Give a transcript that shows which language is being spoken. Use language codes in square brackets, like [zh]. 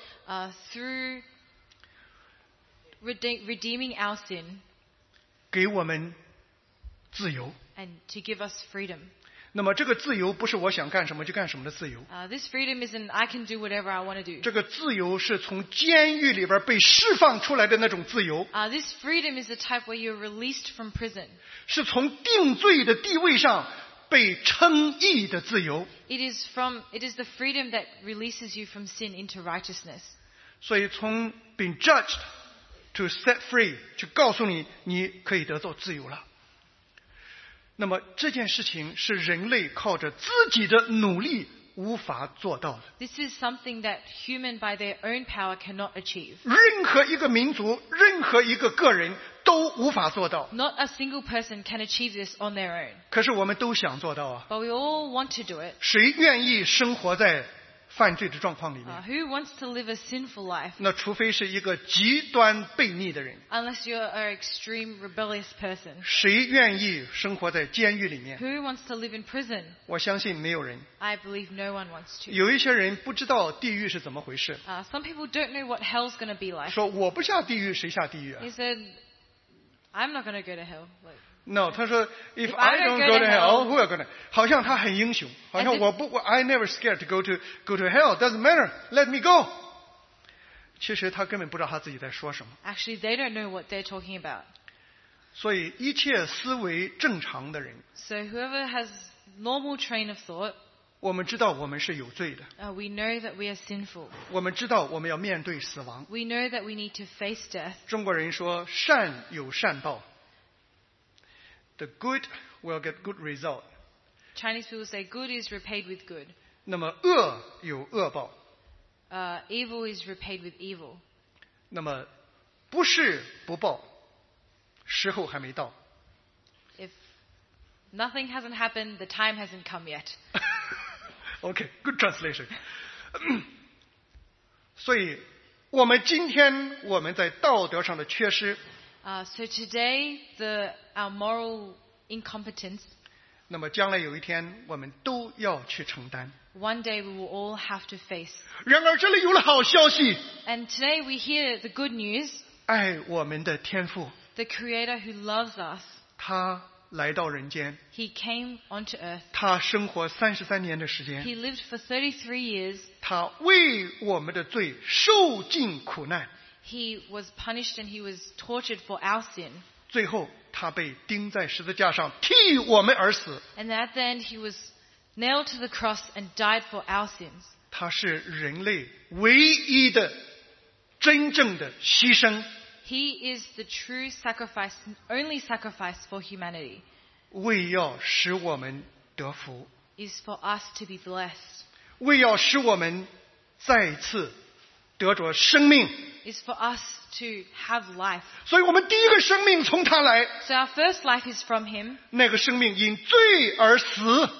[en] Through redeeming our sin, [zh] 给我们自由。 [en] And to give us freedom. [zh] 那么这个自由不是我想干什么就干什么的自由。 [en] This freedom isn't I can do whatever I want to do. [zh] 这个自由是从监狱里边被释放出来的那种自由。 [en] This freedom is the type where you're released from prison. [zh] 是从定罪的地位上被称义的自由。 [en] It is the freedom that releases you from sin into righteousness. [zh] 所以从 [en] being judged to set free [zh] 就告诉你你可以得到自由了。那么这件事情是人类靠着自己的努力无法做到的。 [en] This is something that human by their own power cannot achieve. [zh] 任何一个民族，任何一个个人都无法做到。 [en] Not a single person can achieve this on their own. [zh] 可是我们都想做到啊。 [en] But we all want to do it. [zh] 谁愿意生活在犯罪的状况里面？ [en] Who wants to live a sinful life? [zh] 那除非是一个极端悖逆的人。 [en] Unless you're an extreme rebellious person. [zh] 谁愿意生活在监狱里面？ [en] Who wants to live in prison? [zh] 我相信没有人。 [en] I believe no one wants to. [zh] 有一些人不知道地狱是怎么回事。 [en] Some people don't know what hell's going to be like. [zh] 说我不下地狱，谁下地狱啊？ [en] He said, I'm not going to go to hell. Like, No, [zh] 他说 [en] if I don't go to hell, who are gonna? [zh] 好像他很英雄，好像我不 [en] I never scared to go to hell. Doesn't matter. Let me go. [zh] 其实他根本不知道他自己在说什么。 [en] Actually, they don't know what they're talking about. [zh] 所以一切思维正常的人 [en] So whoever has normal train of thought. [zh] 我们知道我们是有罪的。 [en] We know that we are sinful. [zh] 我们知道我们要面对死亡。 [en] We know that we need to face death. [zh] 中国人说善有善报。 [en] The good will get good result. Chinese people say good is repaid with good. [zh] 那么恶有恶报。 [en] Evil is repaid with evil. [zh] 那么不是不报，时候还没到。 [en] If nothing hasn't happened, the time hasn't come yet. Okay, good translation. [zh] 所以我们今天我们在道德上的缺失。 [en] So today, our moral incompetence. [zh] 那么将来有一天，我们都要去承担。 [en] One day we will all have to face. [zh] 然而这里有了好消息。 [en] And today we hear the good news. [zh] 爱我们的天父。 [en] The Creator who loves us. [zh] 他来到人间。 [en] He came onto earth. [zh] 他生活33年的时间。 [en] He lived for 33 years. [zh] 他为我们的罪受尽苦难。 [en] He was punished and he was tortured for our sin. [zh] 最后他被钉在十字架上替我们而死。 [en] And at the end he was nailed to the cross and died for our sins. [zh] 他是人类唯一的真正的牺牲。 [en] He is the true sacrifice, only sacrifice for humanity. [zh] 为要使我们得福。 [en] Is for us to be blessed. [zh] 为要使我们再次得着生命。 [en] Is for us to have life. [zh] 所以我们第一个生命从他来。 [en] So our first life is from him. [zh] 那个生命因罪而死。